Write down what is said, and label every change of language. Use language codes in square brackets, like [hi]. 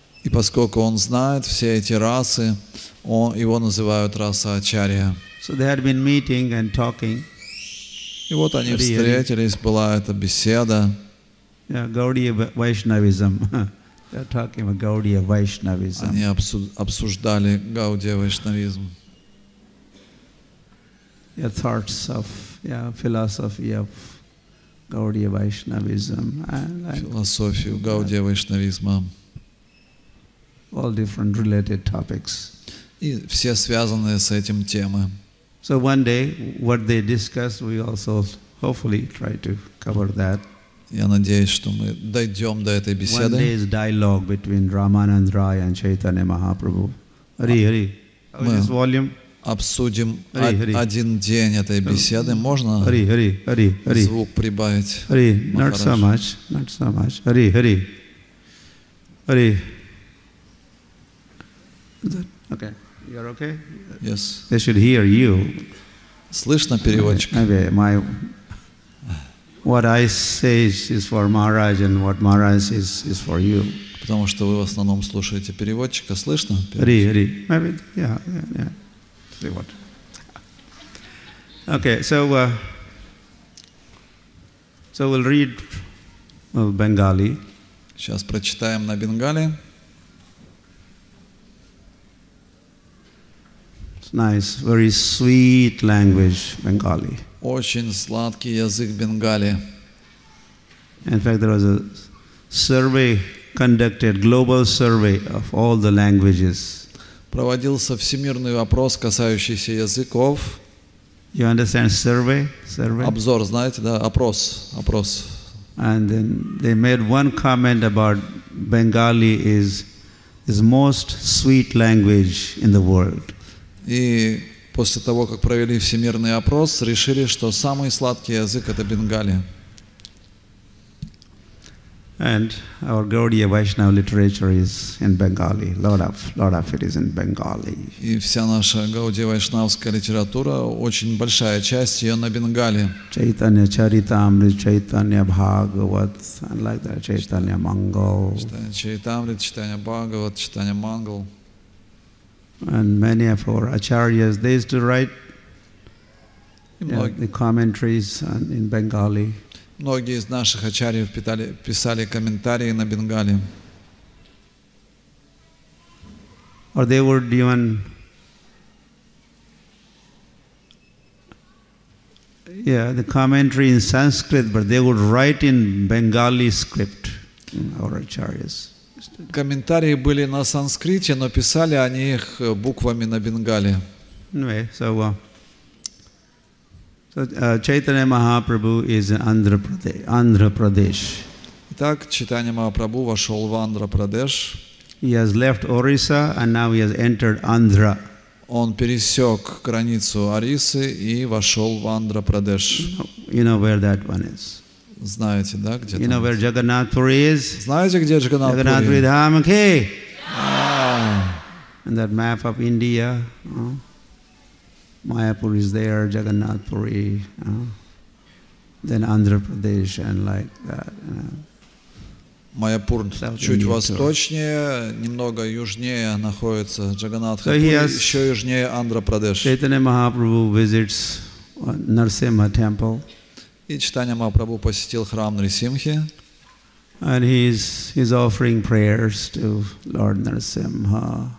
[ru] И поскольку он знает все эти расы, его называют Rasacharya. [en] So they had been meeting and talking. [ru] И вот они встретились, была эта беседа. [en] Yeah, Gaudiya vaishnavism. They're talking about Gaudiya vaishnavism. [ru] Они обсуждали Гаудия вайшнавизм. [en] Your thoughts of philosophy of Gaudiya Vaishnavism and philosophy of Gaudiya Vaishnavism. All different related topics. [ru] И все связанные с этим темы. [en] So one day what they discuss, we also hopefully try to cover that. [ru] Я надеюсь, что мы дойдем до этой беседы. [en] One day is dialogue between Ramanand Rai and Chaitanya Mahaprabhu. Hari. Oh, this volume. [ru] Обсудим один день этой беседы. Можно звук прибавить? [en] Not so much. Hari. Okay. You're okay? Yes. They should hear you. [ru] Слышно переводчик? [en] Okay. What I say is for Maharaj, and what Maharaj says is for you. [ru] Потому что вы в основном слушаете переводчика. Слышно? [en] Hari. Maybe. Yeah. Okay, so we'll read Bengali. [ru] Сейчас прочитаем на Бенгали. [en] It's nice, very sweet language, Bengali. [ru] Очень сладкий язык Бенгали. [en] In fact, there was a survey conducted, global survey of all the languages. [ru] Проводился всемирный опрос, касающийся языков. [en] You understand survey? [ru] Обзор, знаете, да, опрос. [en] And then they made one comment about Bengali is most sweet language in the world. И после того, как провели всемирный опрос, решили, что самый сладкий язык это Бенгали. And our Gaudiya Vaishnava literature is in Bengali. Lot of it is in Bengali. [ru] И вся наша Гаудия Вайшнавская литература, очень большая часть ее на Бенгали. [en] Chaitanya Charitamrit, Chaitanya Bhagavat, and like that, Chaitanya Mangal. Chaitanya Charitamrit, Chaitanya Bhagavat, Chaitanya Mangal. And many of our acharyas, they used to write the commentaries in Bengali. [ru] Многие из наших ачарьев писали комментарии на Бенгали. [en] or they would even the commentary in Sanskrit, but they would write in Bengali script, our acharyas. [ru] Комментарии были на санскрите, но писали они их буквами на бенгали. [en] Anyway, so Chaitanya Mahaprabhu is in Andhra Pradesh. [ru] Итак, Чайтанья Махапрабху вошел в Андхра-Прадеш. [en] He has left Orissa and now he has entered Andhra. [ru] Он пересек границу Орисы и вошел в Андхра-Прадеш. [en] You know where that one is. [ru] Знаете, да, где? [en] You know where Jagannathpur is? [ru] Знаете, где Джаганнатпур? [en] Jagannathpur is Dham, okay? Yeah. And that map of India, Mayapur is there, Jagannathpur, then Andhra Pradesh and like that. [ru] Майяпур чуть восточнее, немного южнее находится Джаганнатха, еще южнее Андхра-Прадеш. [en] Чайтанья Махапрабху visits Нарсимха temple. [ru] И Чайтанья Махапрабху посетил храм Нарсимхи. [en] And he's offering prayers to Lord Narasimha.